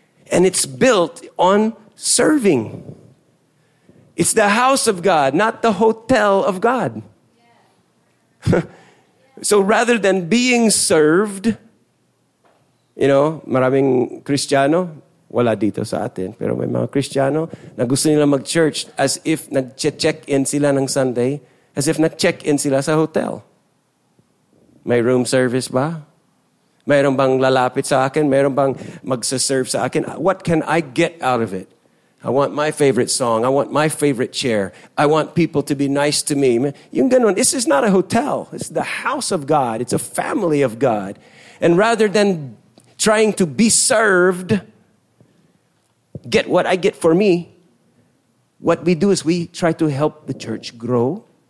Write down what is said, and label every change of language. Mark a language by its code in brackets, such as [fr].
[en] And it's built on serving. It's the house of God, not the hotel of God. So rather than being served, you know, [tl] maraming Kristiyano, wala dito sa atin, pero may mga Kristiyano na gusto nila mag-church as if nag-check-in sila ng Sunday, as if nag-check-in sila sa hotel. May room service ba? Mayroon bang lalapit sa akin? Mayroon bang magsaserve sa akin? [en] What can I get out of it? I want my favorite song. I want my favorite chair. I want people to be nice to me. [tl] Yung ganun, [en] this is not a hotel. It's the house of God. It's a family of God. And rather than trying to be served, get what I get for me, what we do is we try to help the church grow.